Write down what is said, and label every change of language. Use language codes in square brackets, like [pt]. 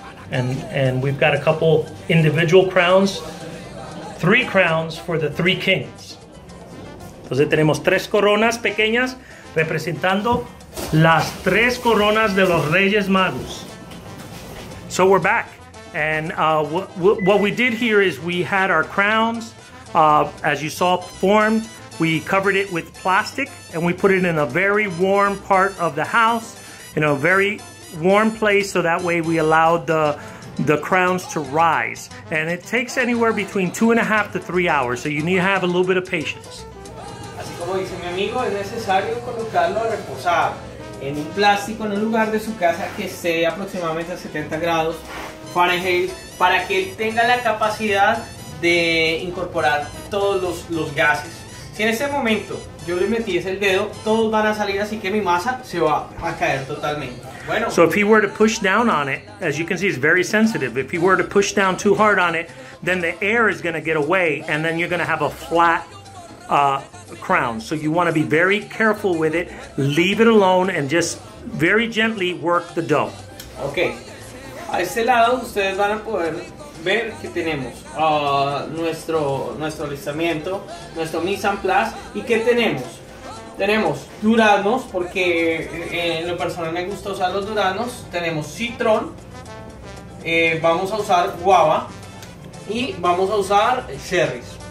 [en] And we've got a couple individual crowns, three crowns for the three kings. [es] Entonces tenemos tres coronas pequeñas representando las tres coronas de los Reyes Magos. [en] So we're back. And what we did here is we had our crowns, as you saw, formed. We covered it with plastic and we put it in a very warm part of the house, in a very warm place, so that way we allowed the crowns to rise. And it takes anywhere between 2.5 to 3 hours, so you need to have a little bit of patience. [es] Así como dice mi amigo, es necesario colocarlo a reposar en un plástico en un lugar de su casa que esté aproximadamente a 70 grados Fahrenheit para que él tenga la capacidad de incorporar todos los gases. Si en ese momento yo le metiese el dedo, todos van a salir, así que mi masa se va a caer totalmente. Bueno. [en] So if he were to push down on it, as you can see, it's very sensitive. If he were to push down too hard on it, then the air is going to get away, and then you're going to have a flat crown. So you want to be very careful with it. Leave it alone and just very gently work the dough. Okay. [es] A este lado ustedes van a poder ver que tenemos nuestro alistamiento, nuestro mise en place. ¿Y qué tenemos? Tenemos duraznos, porque en lo personal me gusta usar los duraznos. Tenemos citrón, vamos a usar guava y vamos a usar cherries.